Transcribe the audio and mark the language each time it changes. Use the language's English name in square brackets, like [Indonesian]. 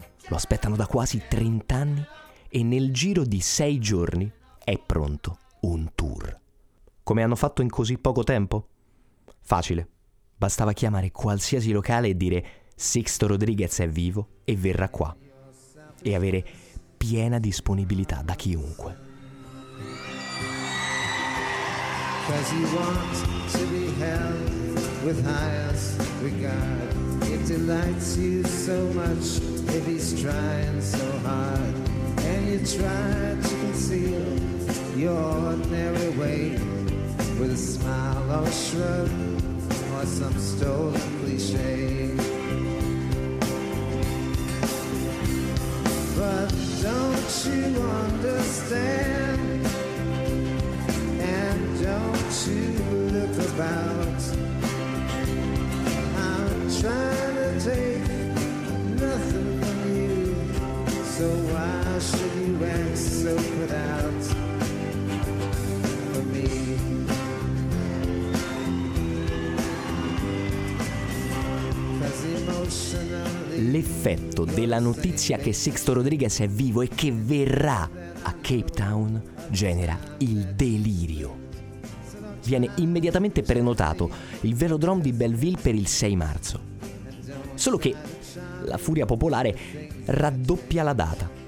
[Italian] Lo aspettano da quasi 30 anni e nel giro di 6 giorni è pronto un tour. Come hanno fatto in così poco tempo? Facile. Bastava chiamare qualsiasi locale e dire: Sixto Rodriguez è vivo e verrà qua. E avere piena disponibilità da chiunque. [English] Cause he wants to be held with highest regard. It delights you so much if he's trying so hard. And you try to conceal your ordinary way with a smile or shrug or some stolen cliche. But don't you understand? Don't you look about. I'm trying to take nothing from you, so why should you act so put out for me? [Italian] L'effetto della notizia che Sixto Rodriguez è vivo e che verrà a Cape Town genera il delirio. Viene immediatamente prenotato il velodrome di Belleville per il 6 marzo. Solo che la furia popolare raddoppia la data.